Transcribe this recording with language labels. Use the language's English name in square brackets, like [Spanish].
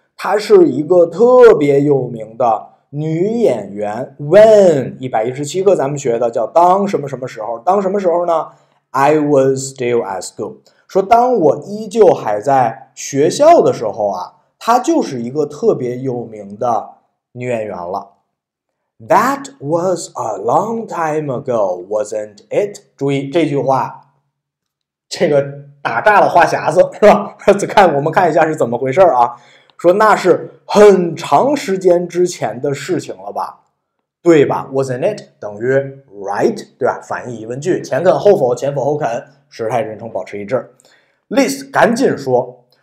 [Chinese] 她是一个特别有名的女演员。 When 117课咱们学的叫当什么什么时候？当什么时候呢 [English] ？I was still at school。 [Chinese] 说当我依旧还在学校的时候啊，她就是一个特别有名的女演员了。 [English] That was a long time ago, wasn't it？ [Chinese] 注意这句话，这个打炸了话匣子是吧？再看我们看一下是怎么回事啊？说那是很长时间之前的事情了吧，对吧 ？ [English] Wasn't it [Chinese] 等于 right 对吧？反义疑问句，前肯后否，前否后肯，时态人称保持一致。Liz 赶紧说，